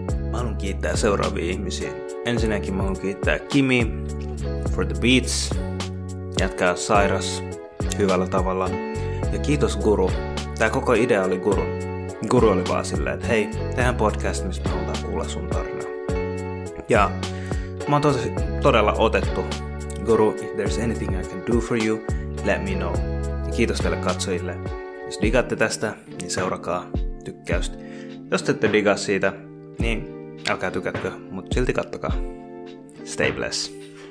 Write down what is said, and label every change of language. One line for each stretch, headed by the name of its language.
Finnish: Mä haluan kiittää seuraavia ihmisiä. Ensinnäkin mä haluan kiittää Kimi
English: for the beats.
Finnish: Jätkää sairas hyvällä tavalla. Ja kiitos Guru. Tää koko idea oli Guru. Guru oli vaan silleen, että hei, tehdään podcast, missä me halutaan kuulla sun tarina. Ja mä oon todella otettu.
English: Guru, if there's anything I can do for you, let me know.
Finnish: Ja kiitos teille katsojille. Jos digaatte tästä, niin seurakaa tykkäystä. Jos te ette digaa siitä, niin älkää tykätkö, mutta silti kattokaa.
English: Stay blessed.